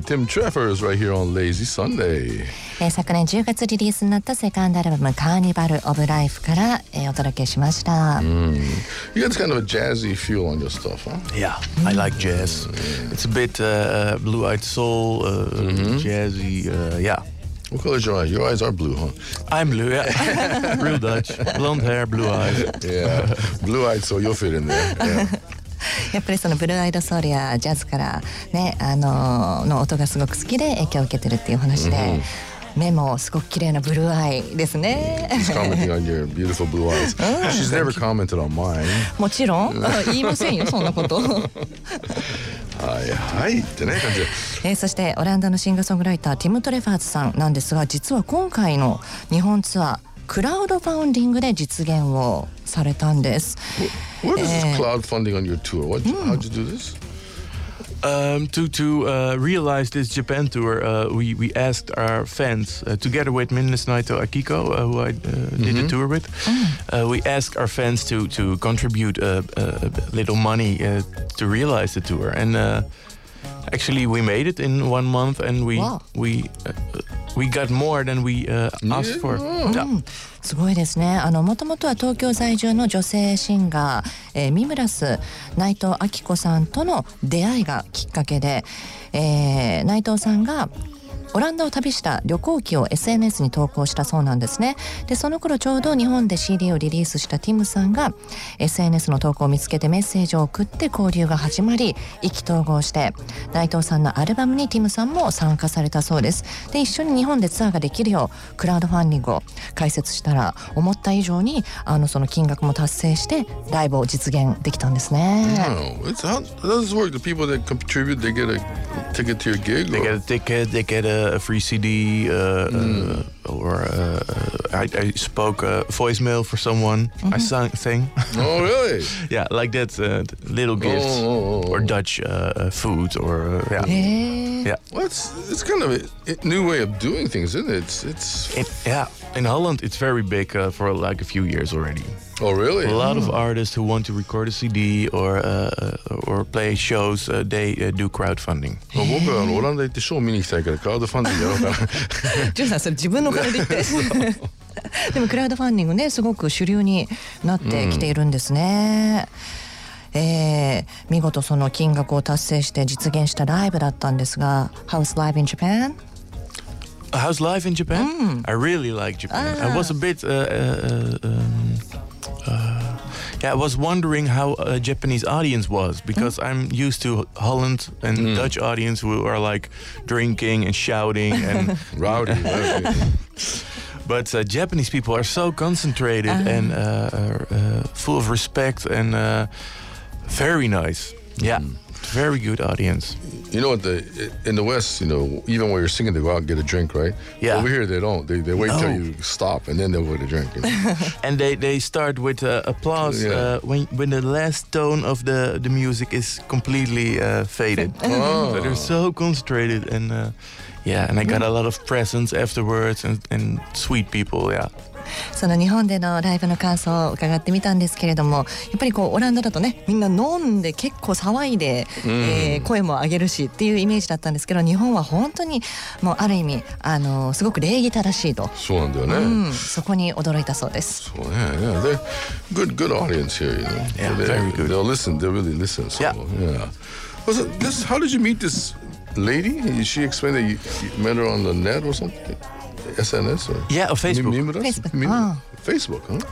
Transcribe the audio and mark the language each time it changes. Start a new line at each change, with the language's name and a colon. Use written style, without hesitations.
English: Tim Trefor is right here on Lazy Sunday.
Japanese: 昨年10月リリースになったセカンドアルバム Carnival of Life からお届けしました。
English: You got kind of a jazzy feel on your stuff, huh? Yeah, I like jazz. It's a bit blue-eyed soul, jazzy, yeah. What color is your eyes? Your eyes are blue, huh? I'm blue, yeah. Real Dutch. Blonde hair, blue eyes. Yeah, blue-eyed soul, you'll fit in there. Yeah.
Japanese: やっぱりそのブルーアイドソウルやジャズからね、の音がすごく好きで影響を受けてるっていう話で、目もすごく綺麗なブルーアイですね。
English: She's commenting on your beautiful blue eyes. She's never commented on mine.
Japanese: もちろん言いませんよそんなこと。はいはいってね感じ。そしてオランダのシンガーソングライターティム・トレファーズさんなんですが、実は今回の日本ツアークラウドファウンディングで実現をされたんです。
English: What is this crowdfunding on your tour? What, how'd you do this? To realize this Japan tour, we asked our fans, together with Minnes Naito Akiko, who I did the tour with, we asked our fans to contribute a little money to realize the tour. And actually, we made it in 1 month, and we got more than we asked for.
Japanese: すごいですね。もともとは東京在住の女性シンガー、三村須内藤明子さんとの出会いがきっかけで、内藤さんがオランダを旅した旅行記を SNS に投稿したそうなんですね。でその頃ちょうど日本で CD をリリースしたティムさんが SNS の投稿を見つけてメッセージを送って交流が始まり、意気投合して内藤さんのアルバムにティムさんも参加されたそうです。で一緒に日本でツアーができるようクラウドファンディングを開設したら、思った以上にその金額も達成してライブを実現できたんですね。
English: It's how does this work? The people that contribute, they get a ticket to your gig? They get a ticket, they get a a free CD I spoke a voicemail for someone. Mm-hmm. I sang thing. Oh, really? Yeah, like that little gifts or Dutch food or yeah. Hey. Yeah. Well, it's kind of a new way of doing things, isn't it? Yeah. In Holland, it's very big for like a few years already. Oh, really? A lot of artists who want to record a CD or play shows, they do crowdfunding. Well, what about Holland? It's so many things. Crowdfunding.
Japanese: Junさん, それ自分のお金で言って。でもクラウドファンディングね、すごく主流になってきているんですね。見事その金額を達成して実現したライブだったんですが、
English: House Live in Japan? How's life in Japan? Mm. I really like Japan. I was a bit... I was wondering how a Japanese audience was, because I'm used to Holland and Dutch audience who are like drinking and shouting and... rowdy. But Japanese people are so concentrated and full of respect and very nice. Yeah. Mm. Very good audience. You know what? In the West, you know, even when you're singing, they go out and get a drink, right? Yeah. Over here, they don't. They wait till you stop, and then they'll get a drink. You know? And they start with applause when the last tone of the music is completely faded. So they're so concentrated. And and I got a lot of presents afterwards and sweet people, yeah.
Japanese: その日本でのライブの感想を伺ってみたんですけれども、やっぱりこうオランダだとね、みんな飲んで結構騒いで、声も上げるしっていうイメージだったんですけど、日本は本当にもうある意味すごく礼儀正しいと。そうなんだよね、そこに驚いたそうです。そうね、
English: yeah, yeah. They're good audience here, you know. They'll listen, they really listen. So, yeah. Well, how did you meet this lady? She explained that you met her on the net or something? SNS or? Yeah, or Facebook. Facebook, huh?